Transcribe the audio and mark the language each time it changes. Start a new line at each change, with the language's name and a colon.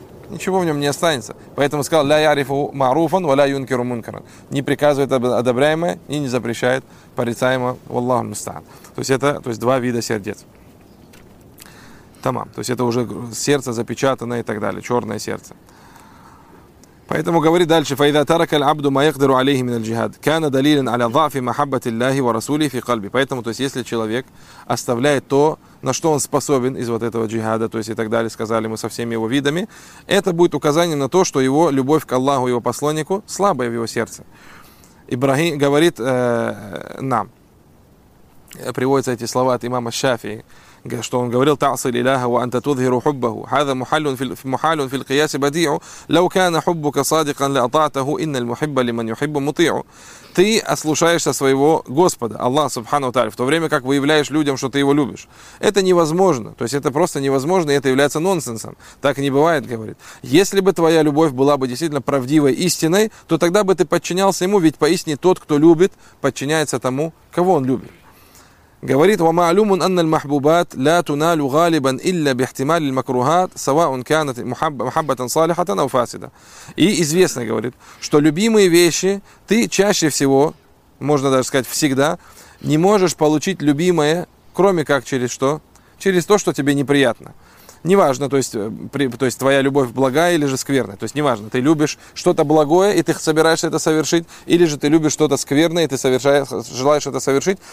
Russian: Ничего в нем не останется. Поэтому сказал,
Arabic: ля ярифу маруфан, ва ля юнкиру мункаран.
Russian: Не приказывает одобряемое и не запрещает порицаемое. Валлаху мустаан. То есть это, то есть два вида сердец. Тамам. То есть это уже сердце запечатанное и так далее, черное сердце. Поэтому говорит дальше,
Arabic: فَإِذَا تَرَكَ الْعَبْدُ مَا يَقْدِرُ عَلَيْهِ مِنَ الْجِهَادِ كَانَ دَلِيلًا عَلَى ضَعْفِ مَحَبَّةِ اللَّهِ وَرَسُولِهِ فِي قَلْبِهِ.
Russian: Поэтому, то есть, если человек оставляет то, на что он способен из вот этого джихада, то есть и так далее, сказали мы со всеми его видами, это будет указание на то, что его любовь к Аллаху, его посланнику, слабая в его сердце. Ибрахим говорит нам, приводятся эти слова от имама Шафии, что он говорил,
Arabic: تعصي الإله وأنت تظهر حبه هذا محل في القياس بديع لو كان حبك صادقا لأطعته إن المحب لمن يحب مطيع.
Russian: Ты ослушаешься своего Господа, Аллах Субхану Тааля, в то время как выявляешь людям, что ты его любишь. Это невозможно. То есть это просто невозможно, и это является нонсенсом. Так не бывает, говорит. Если бы твоя любовь была бы действительно правдивой, истиной, то тогда бы ты подчинялся ему, ведь поистине тот, кто любит, подчиняется тому, кого он любит. Говорит,
Arabic: ومعلوم أن المحبوبات لا تنال غالبا إلا باحتمال المكروهات سواء كانت محبة صالحة أو فاسدة.
Russian: И известно, говорит, что любимые вещи ты чаще всего, можно даже сказать всегда, не можешь получить любимое, кроме как через что? Через то, что тебе неприятно. Неважно, то есть твоя любовь благая или же скверная. То есть неважно, ты любишь что-то благое, и ты собираешься это совершить, или же ты любишь что-то скверное, и ты желаешь это совершить.